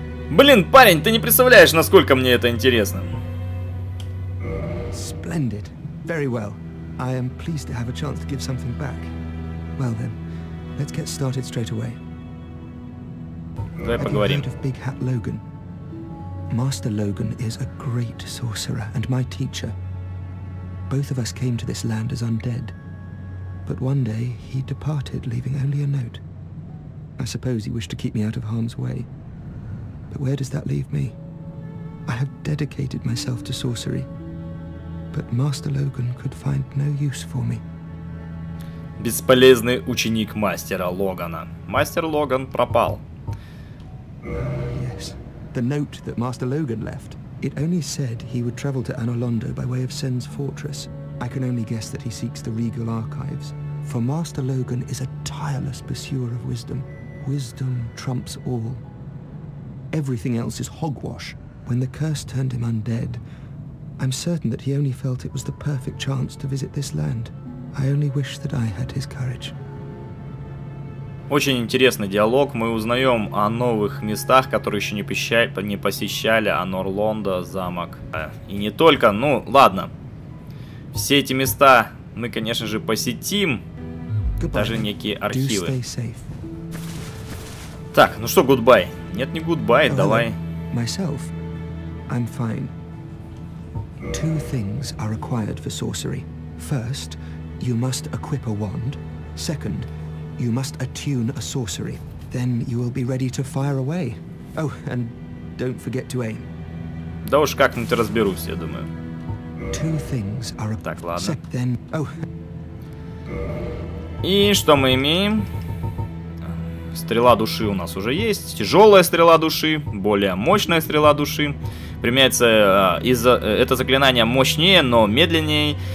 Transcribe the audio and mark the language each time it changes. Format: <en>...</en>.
<ru>Блин, парень, ты не представляешь, насколько мне это интересно.</ru> <en>Splendid. Very well. I am pleased to have a chance to give something back. Well then. Let's get started straight away.</en> <ru>Давай поговорим.</ru> <en>Have you heard of Big Hat Logan? Master Logan is a great sorcerer and my teacher. Both of us came to this land as undead. But one day he departed, leaving only a note. I suppose he wished to keep me out of harm's way. But where does that leave me? I have dedicated myself to sorcery. But Master Logan could find no use for me.</en> <ru>Бесполезный ученик мастера Логана. Мастер Логан пропал.</ru> <en>Yes. The note that Master Logan left. It only said he would travel to Anolondo by way of Sen's fortress. I can only guess that he seeks the regal archives. For Master Logan is a tireless pursuer of wisdom. Wisdom trumps all. Everything else is hogwash. When the curse turned him undead, I'm certain that he only felt it was the perfect chance to visit this land. I only wish that I had his courage.</en> <ru>Очень интересный диалог. Мы узнаем о новых местах, которые еще не посещали. Анор-Лондо, замок. И не только. Ну, ладно. Все эти места мы, конечно же, посетим.</ru> <en>Goodbye.</en> <ru>Даже некие архивы.</ru> <en>Do stay safe.</en> <ru>Так, ну что, гудбай? Нет, не гудбай, давай.</ru> <en>Myself, I'm fine. Two things are required for sorcery. First, you must equip a wand. Second, you must attune a sorcery. Then you will be ready to fire away. Oh, and don't forget to aim.</en> <ru>Да уж как-нибудь разберусь, я думаю.</ru> <en>Two things are a...</en> <ru>Так, ладно.</ru> <en>Set then... Oh.</en> <ru>И что мы имеем? Стрела души у нас уже есть. Тяжелая стрела души, более мощная стрела души. Применяется из-за... Это заклинание мощнее, но медленнее.</ru>